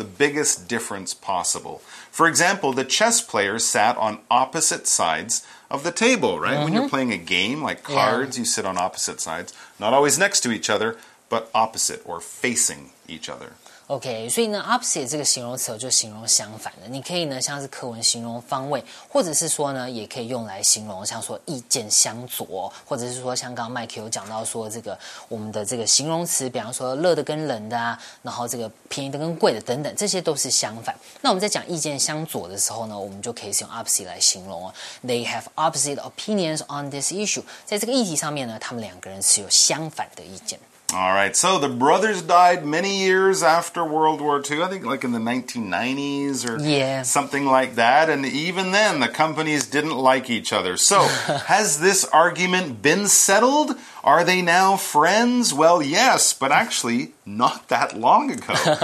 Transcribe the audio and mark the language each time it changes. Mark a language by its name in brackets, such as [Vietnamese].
[English] The biggest difference possible. For example, the chess player sat on opposite sides of the table, right? Mm-hmm. When you're playing a game like cards, you sit on opposite sides. Not always next to each other, but opposite or facing each other. [Chinese] OK, 所以呢 opposite 这个形容词就形容相反的。你可以呢像是课文形容方位，或者是说呢也可以用来形容像说意见相左，或者是说像刚刚 Mike 有讲到说这个我们的这个形容词，比方说热的跟冷的啊，然后这个便宜的跟贵的等等，这些都是相反。那我们在讲意见相左的时候呢，我们就可以使用 opposite 来形容哦。 [English] They have opposite opinions on this issue. [Chinese] 在这个议题上面呢，他们两个人是有相反的意见。 [English] All right, so the brothers died many years after World War II, I think like in the 1990s or something like that. And even then, the companies didn't like each other. So has this argument been settled? Are they now friends? Well, yes, but actually not that long ago.